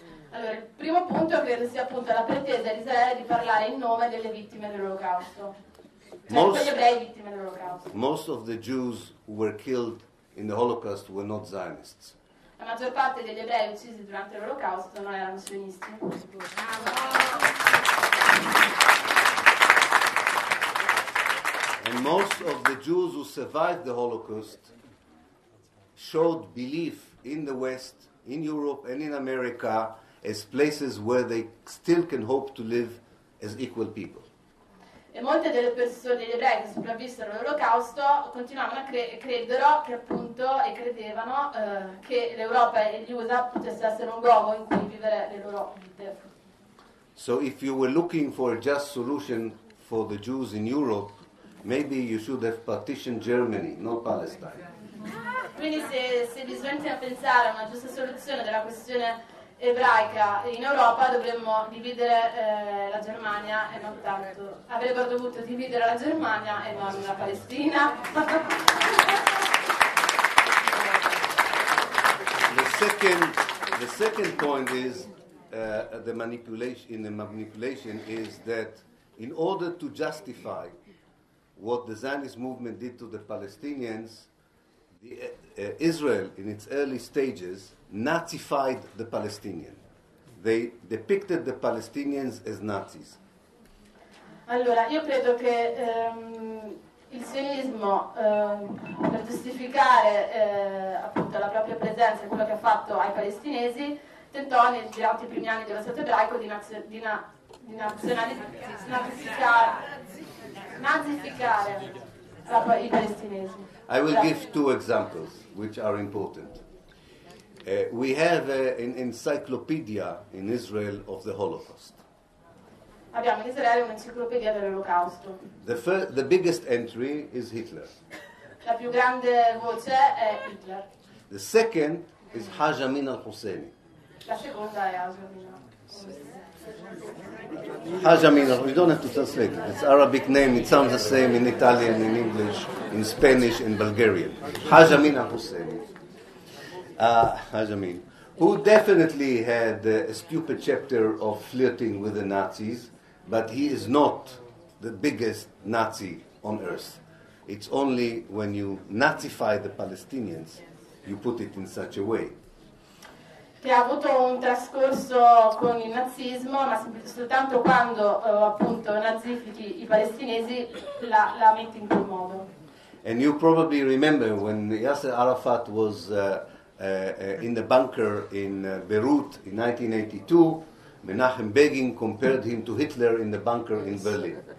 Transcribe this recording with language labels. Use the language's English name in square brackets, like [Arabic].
[Italian] Allora, il primo punto credo sia appunto la pretesa di Israele di parlare in nome delle vittime dell'Olocausto. Cioè degli ebrei vittime dell'Olocausto. [English] Most of the Jews who were killed in the Holocaust were not Zionists. [Italian] La maggior parte degli ebrei uccisi durante l'Olocausto non erano sionisti. [English] And most of the Jews who survived the Holocaust showed belief in the West, in Europe and in America as places where they still can hope to live as equal people. [Italian] E molte delle persone, degli ebrei che sopravvissero all'Olocausto continuavano a credere che appunto e credevano che l'Europa e gli USA potessero essere un luogo in cui vivere le loro vite. [English] So if you were looking for a just solution for the Jews in Europe, maybe you should have partitioned Germany, not Palestine. [Italian] Quindi se bisogna pensare a una giusta soluzione della questione ebraica in Europa, dovremmo dividere la Germania e non tanto. Avrebbero dovuto dividere la Germania e non la Palestina. [English] The second point is the manipulation is that in order to justify what the Zionist movement did to the Palestinians, Israel in its early stages Nazified the Palestinian. They depicted the Palestinians as Nazis. [Italian] Allora, io credo che il sionismo, per giustificare appunto la propria presenza e quello che ha fatto ai palestinesi, tentò negli altri primi anni dello Stato ebraico di nazificare i palestinesi. [English] I will give two examples which are important. We have an encyclopedia in Israel of the Holocaust. [Italian] Abbiamo in Israele un'enciclopedia dell'Olocausto. [English] The biggest entry is Hitler. [Italian] La più grande voce è Hitler. [English] The second is Haj Amin al-Husseini. [Italian] La seconda è Haj Amin al-Husseini. [English] Haj Amin al-Husseini, we don't have to translate it. It's Arabic name, it sounds the same in Italian, in English, in Spanish, in Bulgarian. Haj Amin al-Husseini. Hajamin, who definitely had a stupid chapter of flirting with the Nazis, but he is not the biggest Nazi on earth. It's only when you Nazify the Palestinians, you put it in such a way. [Italian] Che ha avuto un trascorso con il nazismo, ma soltanto quando appunto nazifichi i palestinesi la metti in quel modo. [English] And you probably remember when Yasser Arafat was in the bunker in Beirut in 1982, Menachem Begin compared him to Hitler in the bunker in Berlin.